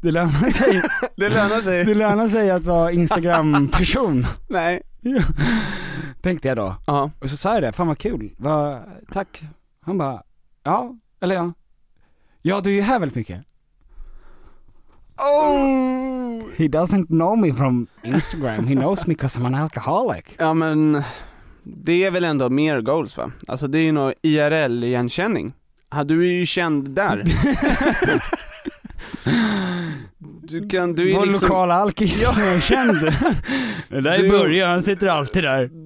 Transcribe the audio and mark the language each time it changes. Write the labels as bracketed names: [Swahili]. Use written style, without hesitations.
[Swedish] Det lönar sig. Det lönar sig. Det lönar sig att vara Instagram-person. Nej. Tänkte jag då. Uh-huh. Och så sa jag det. Fan, vad kul. Tack. Han bara, ja. Eller ja. Ja, du är ju här väldigt mycket. Oh! [English] He doesn't know me from Instagram. He knows me because I'm an alcoholic. [Swedish] Ja, men det är väl ändå mer goals, va? Alltså, det är ju nog IRL-igenkänning. Ja, du är ju känd där. Du är liksom... lokal alkis, ja. Känd. Där börjar, han sitter alltid där.